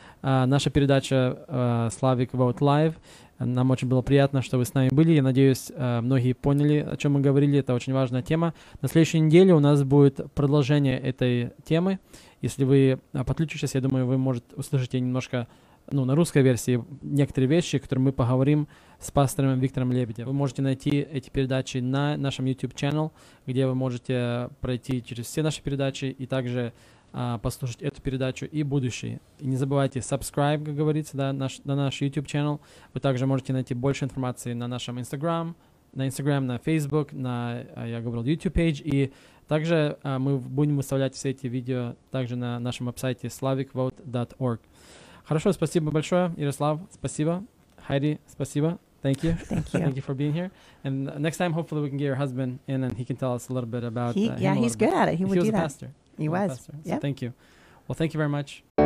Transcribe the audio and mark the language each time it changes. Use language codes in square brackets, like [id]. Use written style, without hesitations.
[ru] Наша передача Slavic Vote Live. Нам очень было приятно, что вы с нами были. Я надеюсь, многие поняли, о чем мы говорили. Это очень важная тема. На следующей неделе у нас будет продолжение этой темы. Если вы подключитесь, я думаю, вы, может, услышите немножко, ну, на русской версии некоторые вещи, которые мы поговорим с пастором Виктором Лебедем. Вы можете найти эти передачи на нашем YouTube-канале, где вы можете пройти через все наши передачи и также послушать эту передачу и будущие. И не забывайте subscribe, как говорится, да, на наш YouTube-канал. Вы также можете найти больше информации на нашем Instagram, на Facebook, на YouTube-пейдж. И также мы будем выставлять все эти видео также на нашем веб-сайте slavicvote.org. Хорошо, спасибо большое, Ярослав. Спасибо. Heidi, спасибо. [en] Thank you. Thank you. Thank you for being here. And next time, hopefully, we can get your husband in and he can tell us a little bit about He's good at it. He would do that. He was a pastor. He was. So yep. Thank you. Well, thank you very much.